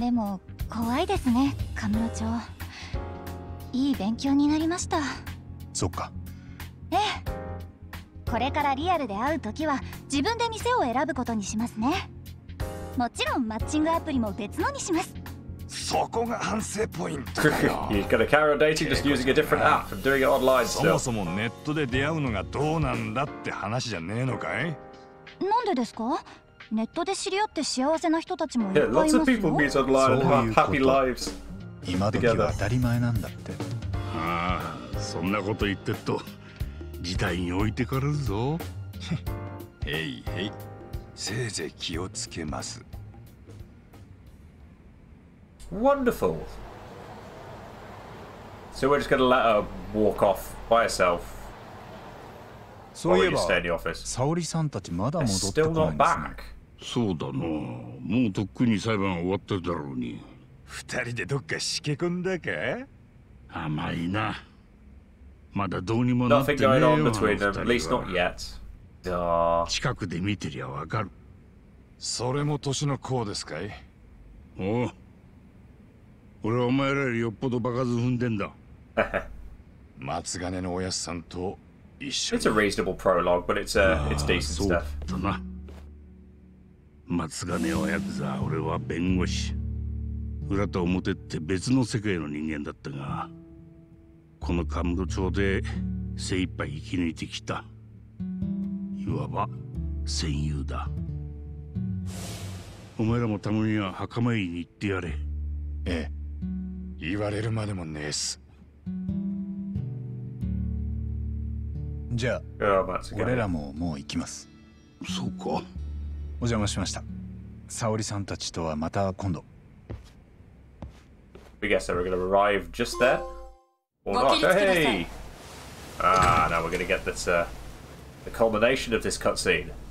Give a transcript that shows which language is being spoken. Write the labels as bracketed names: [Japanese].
[Japanese] でも怖いですね、カムロ町。いい勉強になりました。そっか。ええ、これからリアルで会うときは自分で店を選ぶことにしますね。もちろんマッチングアプリも別のにします。そこが反省ポイントかよ。 [English] You gotta carry on dating just using a different app and doing it online still. [Japanese] そもそもネットで出会うのがどうなんだって話じゃねえのかい？なんでですか？ネットで知り合って幸せな人たちもいっぱいいますよ。 [English] Yeah, lots of people meet online and have happy lives. [Japanese] 今時は当たり前なんだって。ああ、そんなこと言ってっと時代に置いてかれるぞ。へいへい、せいぜい気をつけます。 [English] Wonderful. So we're just going to let her walk off by herself. So while you stay in the office. Saori-san [Japanese] たちまだ戻ってこないんですね。 [English] Still not back. [Japanese] そうだな。もうとっくに裁判終わってるだろうに。二人でどっかしけ込んだか？甘いな。まだどうにもなってねえよ。 [English] Nothing going on between them, at least not yet. [Japanese] 近くで見てりゃわかる。それも年の功ですかい？おう。俺はお前らよりよっぽどバカず踏んでんだ。松金のおやすさんと一緒に。 [English] It's a reasonable prologue, but it's decent stuff. [Japanese] そうだったな。松金おやくざ、俺は弁護士。裏と表って別の世界の人間だったが、このカムロ町で精一杯生き抜いてきた。いわば戦友だ。お前らもたまには墓参りに行ってやれ。ええ。言われるまでもねえす。じゃあ、俺らももう行きます。そうか。お邪魔しました。沙織さんたちとはまた今度。 [English] We guess that we're gonna arrive just there. Or not. Hey! Ah, now we're gonna get this, the culmination of this cutscene.